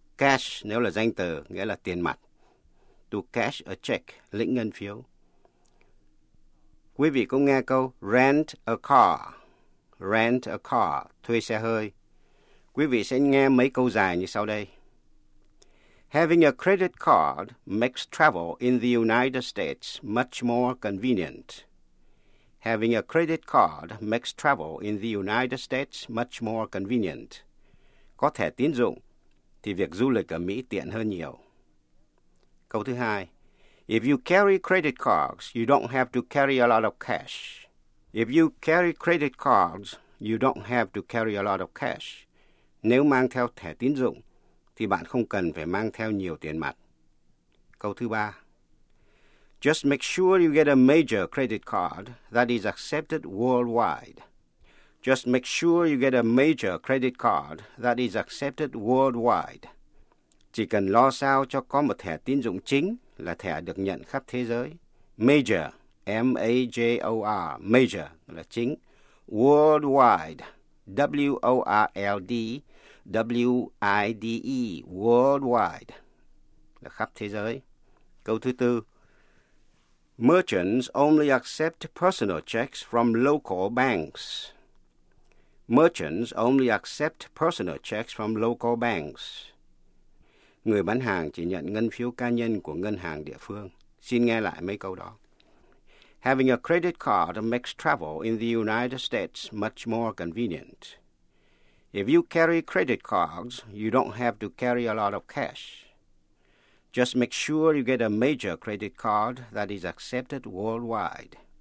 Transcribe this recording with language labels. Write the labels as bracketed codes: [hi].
[vi] Cash nếu là danh từ, nghĩa là tiền mặt. [en] To cash a check, [vi] lĩnh ngân phiếu. Quý vị cũng nghe câu [en] rent a car. Rent a car, [vi] thuê xe hơi. Quý vị sẽ nghe mấy câu dài như sau đây. [en] Having a credit card makes travel in the United States much more convenient. Having a credit card makes travel in the United States much more convenient. [vi] Có thẻ tín dụng thì việc du lịch ở Mỹ tiện hơn nhiều. Câu thứ hai. [en] If you carry credit cards, you don't have to carry a lot of cash. If you carry credit cards, you don't have to carry a lot of cash. [vi] Nếu mang theo thẻ tín dụng thì bạn không cần phải mang theo nhiều tiền mặt. Câu thứ ba. [en] Just make sure you get a major credit card that is accepted worldwide. Just make sure you get a major credit card that is accepted worldwide. [vi] Chỉ cần lo sao cho có một thẻ tín dụng chính là thẻ được nhận khắp thế giới. Major, M-A-J-O-R, major là chính. Worldwide, W-O-R-L-D, W-I-D-E, worldwide là khắp thế giới. Câu thứ tư. [en] Merchants only accept personal checks from local banks. Merchants only accept personal checks from local banks. [vi] Người bán hàng chỉ nhận ngân phiếu cá nhân của ngân hàng địa phương. Xin nghe lại mấy câu đó. [en] Having a credit card makes travel in the United States much more convenient. If you carry credit cards, you don't have to carry a lot of cash. Just make sure you get a major credit card that is accepted worldwide.